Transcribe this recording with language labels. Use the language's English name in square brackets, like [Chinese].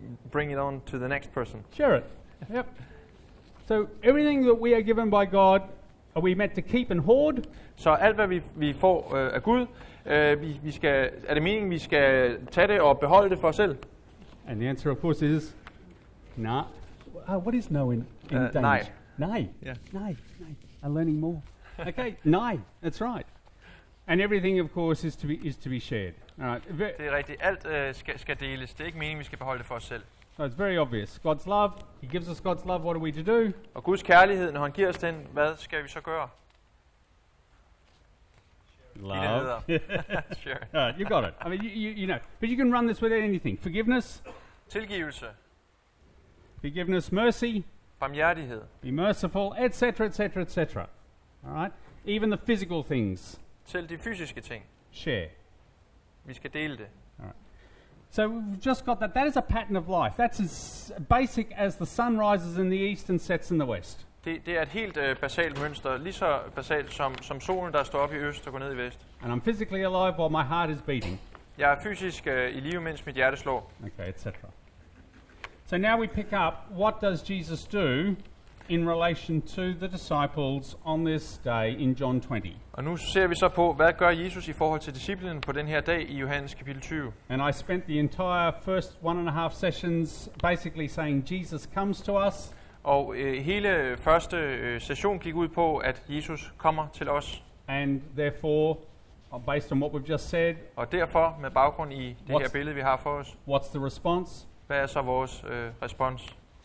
[English] Bring it on to the next person. Share it. Yep. So everything that we are given by God, are we meant to keep and hoard? [Danish] Så alt hvad vi får af Gud, vi skal, er det meningen vi skal tage det og beholde det for os selv? [English] And the answer of course is nah. What is no in Danish? [Danish] Nej. Nej. [English] Yeah. [Danish] Nej. Nej. [English] I'm learning more. Okay. Nej. That's right. And everything of course is to be shared. All right. [Danish] Det er rigtigt. Alt skal deles. Det er ikke meningen vi skal beholde det for os selv. [English] So it's very obvious. God's love. He gives us God's love. What are we to do? [Danish] Og Guds kærlighed, når han giver os den, hvad skal vi så gøre? [English] Love. Sure. All right, you got it. I mean, you know. But you can run this with anything. Forgiveness. [Danish] Tilgivelse. [English] Forgiveness, mercy. [Danish] Barmhjertighed. [English] Be merciful, etc., etc., etc. All right? Even the physical things. [Danish] Selv de fysiske ting. [English] Share. [Danish] Vi skal dele det. [English] So we've just got that. That is a pattern of life. That's as basic as the sun rises in the east and sets in the west. [Danish] Det er et helt basalt mønster, lige så basalt som solen, der står op i øst og går ned i vest. [English] And I'm physically alive while my heart is beating. [Danish] Jeg er fysisk i live, mens mit hjerte slår. [English] Okay, etc. So now we pick up, what does Jesus do in relation to the disciples on this day in John 20. [Danish] Og nu ser vi så på, hvad gør Jesus i forhold til disciplene på den her dag i Johannes kapitel 20. [English] And I spent the entire first 1.5 sessions basically saying Jesus comes to us. [Danish] Og hele første session gik ud på, at Jesus kommer til os. [English] And therefore, based on what we've just said. [Danish] Og derfor, med baggrund i det her billede, vi har for os. [English] What's the response? [Danish] Hvad er så vores respons?